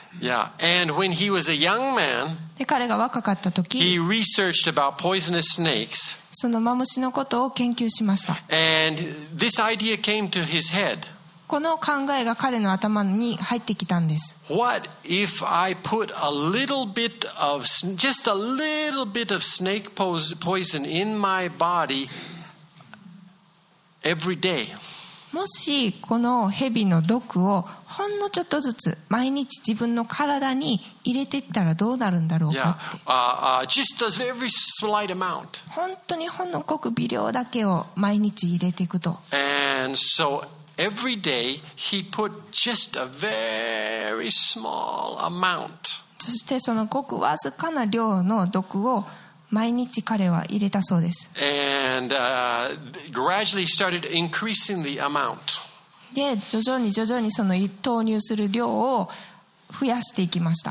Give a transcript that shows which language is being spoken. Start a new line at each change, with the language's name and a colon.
English: Yeah, and when he was a young man,
Japanese: で彼が若かった時、
English: he researched about poisonous snakes.
Japanese: そのマムシのことを研究しました。
English: And this idea came to his head.
Japanese: この考えが彼の頭に入ってきたんです。
English: What if I put a little bit of just a little bit of snake poison in my body every day?
Japanese: もしこの蛇の毒をほんのちょっとずつ毎日自分の体に入れていったらどうなるんだろうかって。
English: Yeah. Just a very slight amount.
Japanese: 本当にほんのごく微量だけを毎日入れていくと。
English: And so every day he put just a very small amount.
Japanese: そしてそのごくわずかな量の毒を毎日彼は入れたそうです。
English: And, gradually started increasing the amount.
Japanese: で、徐々に徐々にその投入する量を増やしていきました。